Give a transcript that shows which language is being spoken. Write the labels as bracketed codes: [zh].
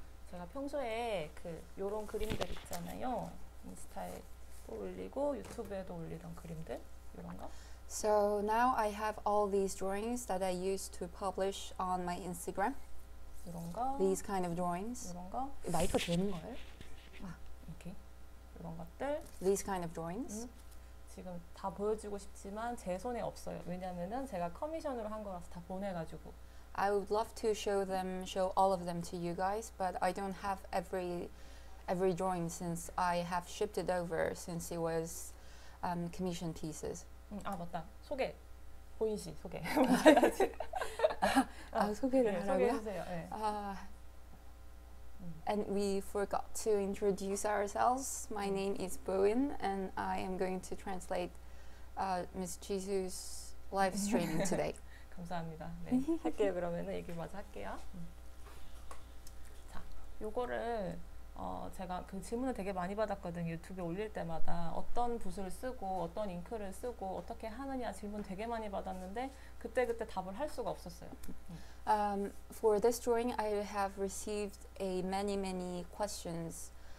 [ko] 제가 평소에 그 요런 그림들 있잖아요. 인스타에 또 올리고 유튜브에도 올리던 그림들 이런 거. [en] So now I have all these drawings that I used to publish on my Instagram. [ko] 이런 거. [en] These kind of drawings. [ko] 이런 거. 마이크 되는 거예요? 아, 이렇게. 이런 것들. [en] These kind of drawings. [ko] 지금 다 보여주고 싶지만 제 손에 없어요. 왜냐면은 제가 커미션으로 한 거라서 다 보내가지고. [en] I would love to show all of them to you guys, but I don't have every drawing since I have shipped it over since it was commission pieces. [ko] 아 맞다. 소개. 호인 씨 소개. 아 소개를 네, 하라고요? 소개해주세요. 네. [en] And we forgot to introduce ourselves. My name is Bowen, and I am going to translate Ms. Jisoo's live streaming today. [ko] 감사합니다. 네, 할게요. 그러면은 얘기 먼저 할게요. 자, 요거를 제가 그 질문을 되게 많이 받았거든요. 유튜브에 올릴 때마다 어떤 붓을 쓰고 어떤 잉크를 쓰고 어떻게 하느냐 질문 되게 많이 받았는데 그때 답을 할 수가 없었어요. [en] For this drawing, I have received many questions.